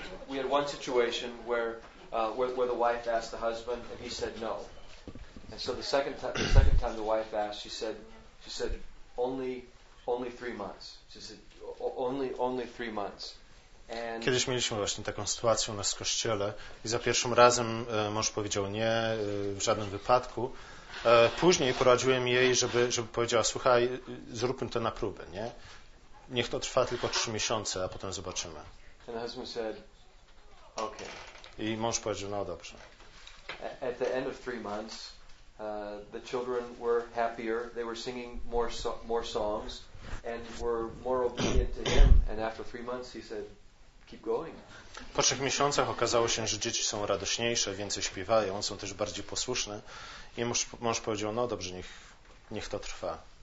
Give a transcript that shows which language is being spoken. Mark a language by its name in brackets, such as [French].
[English] We had one situation where the wife asked the husband and he said no. And so the second time the wife asked, she said only 3 months. She said only 3 months. [Polish] Kiedyś mieliśmy właśnie taką sytuację u nas w kościele i za pierwszym razem mąż powiedział nie w żadnym wypadku, Później poradziłem jej, żeby powiedziała: słuchaj, zróbmy to na próbę, nie? Niech to trwa tylko 3 miesiące, a potem zobaczymy. [English] And the husband said, okay. [Polish] I mąż powiedział: no dobrze. [English] At the end of 3 months, the children were happier. They were singing more songs and were more obedient to him. And after 3 months, he said, keep going. [Polish] Po 3 miesiącach okazało się, że dzieci są radośniejsze, więcej śpiewają, są też bardziej posłuszne. I mąż powiedział: no dobrze, niech to trwa.